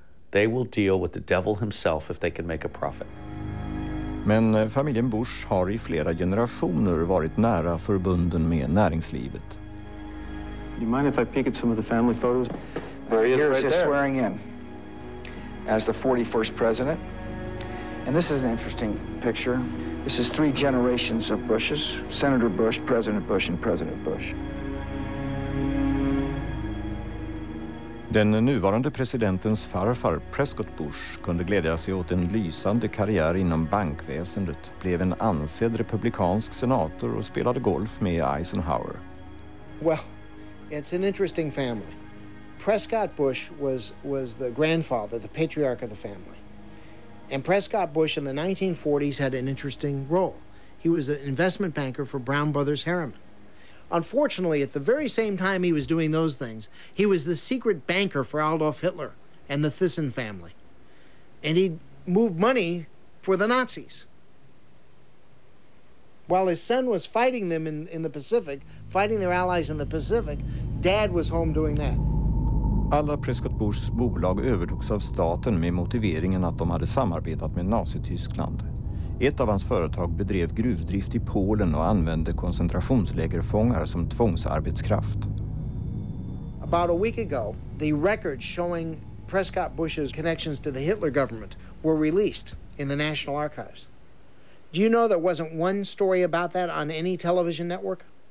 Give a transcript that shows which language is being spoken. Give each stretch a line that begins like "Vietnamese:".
English: They will deal with the devil himself if they can make a profit.
Swedish: Men familjen Bush har i flera generationer varit nära förbunden med näringslivet.
English: Do you mind if I peek at some of the family photos? There he is. Here's right swearing in as the 41st president. And this is an interesting picture. This is three generations of Bushes: Senator Bush, President Bush, and President Bush.
Swedish: Den nuvarande presidentens farfar, Prescott Bush, kunde glädja sig åt en lysande karriär inom bankväsendet, blev en ansedd republikansk senator och spelade golf med Eisenhower.
English: Well, it's an interesting family. Prescott Bush was the grandfather, the patriarch of the family. And Prescott Bush in the 1940s had an interesting role. He was an investment banker for Brown Brothers Harriman. Unfortunately, at the very same time he was doing those things, he was the secret banker for Adolf Hitler and the Thyssen family. And he'd moved money for the Nazis. While his son was fighting them in the Pacific, fighting their allies in the Pacific, Dad was home doing that.
Swedish: Alla Prescott Bushs bolag övertogs av staten med motiveringen att de hade samarbetat med Nazityskland. Ett av hans företag bedrev gruvdrift i Polen och använde koncentrationslägerfångar som tvångsarbetskraft.
English: About a week ago, the records showing Prescott Bush's connections to the Hitler government were released in the National Archives. Do you know there wasn't one story about that on any television network?